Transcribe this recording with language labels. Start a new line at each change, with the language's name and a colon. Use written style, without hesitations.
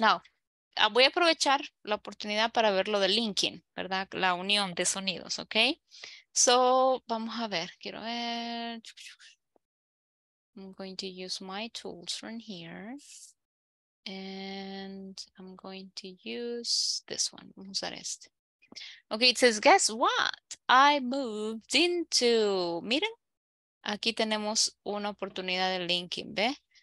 English: Now,
Spanish: voy a aprovechar la oportunidad para ver lo de linking, ¿verdad? La unión de sonidos, ¿ok?
English: So,
Spanish: vamos a ver, quiero ver,
English: I'm going to use my tools from here, and I'm going to use this one,
Spanish: vamos a usar este.
English: Okay, it says, guess what? I moved into,
Spanish: miren, aquí tenemos una oportunidad de linking, ¿ve?